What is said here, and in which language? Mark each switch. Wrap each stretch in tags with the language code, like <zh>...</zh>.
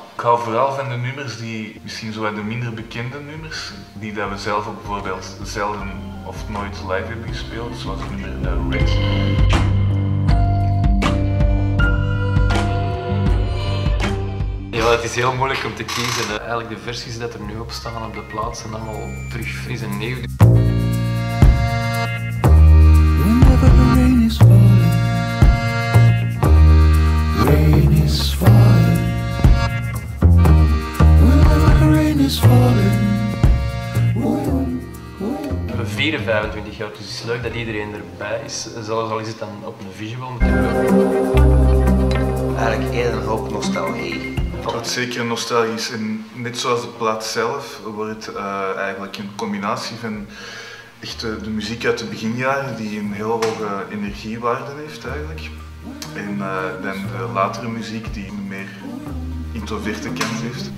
<nl>Ik hou vooral van de nummers die, misschien zo de minder bekende nummers, die dat we zelf ook bijvoorbeeld zelden of nooit live hebben gespeeld, zoals nummer Red. Ja, het is heel moeilijk om te kiezen. Eigenlijk de versies die er nu op staan op de plaats zijn allemaal terug fris en nieuw.</nl> <en>Whenever the rain is falling, rain is falling. Whenever the rain is falling.</en> <nl>We hebben 24-25 jaar, dus het is leuk dat iedereen erbij is. Zelfs al is het dan op een visual. Eigenlijk één hoop nostalgie. Wat zeker nostalgisch en net zoals de plaat zelf wordt het eigenlijk een combinatie van echt de muziek uit de beginjaren die een heel hoge energiewaarde heeft eigenlijk en dan de latere muziek die een meer introverte kant heeft.</nl>